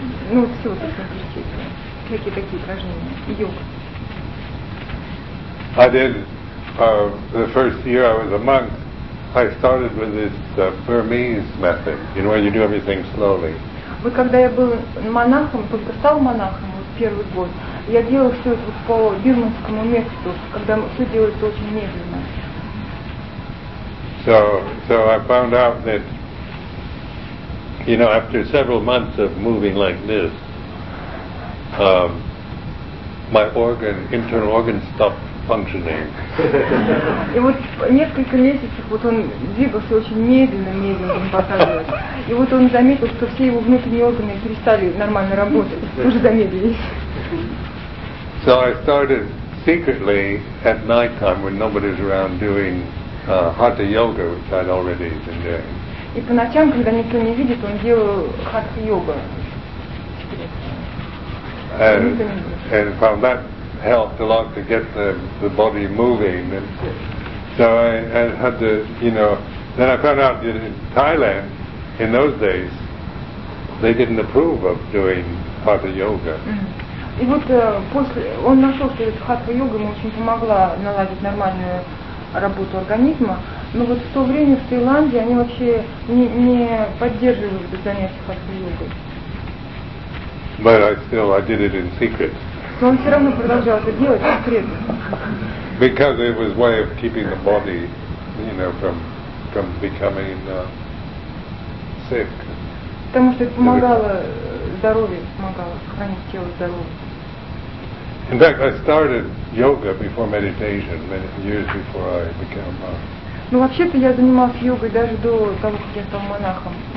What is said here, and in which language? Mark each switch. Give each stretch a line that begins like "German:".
Russian: Ну, все, какие такие упражнения. Йога.
English: I did, the first year I was a monk, I started with this Burmese method, you know, where you do everything slowly.
Russian: Вот когда я был монахом, только стал монахом вот первый год, я делал все это по бирманскому методу, когда все делается очень медленно.
English: So I found out that, you know, after several months of moving like this, my organ, internal organ stopped functioning.
Russian: И вот несколько месяцев вот он двигался очень медленно, он показывал. И вот он заметил, что все его внутренние органы перестали нормально работать, тоже замедлились.
English: So I started secretly at night time when nobody was around doing hatha yoga, which I'd already been doing.
Russian: И по ночам, когда никто не видит, он делал хатха йогу.
English: And found that helped a lot to get the body moving. And so I had to, you know, then I found out that in Thailand, in those days, they didn't approve of doing hatha yoga.
Russian: И вот после он нашел, что хатха йога ему очень помогла наладить нормальную работу организма. Но вот в то время в Таиланде они вообще не поддерживали занятия хатха йогой.
English: But I did it in secret.
Russian: Но он все равно продолжал это делать секретно.
English: Because it was way of keeping the body, you know, from becoming sick.
Russian: Потому что это помогало здоровью, помогало сохранить тело здоровым.
English: In fact, I started yoga before meditation, years before I became a monk.
Russian: Ну вообще-то я занимался йогой даже до того, как я стал монахом.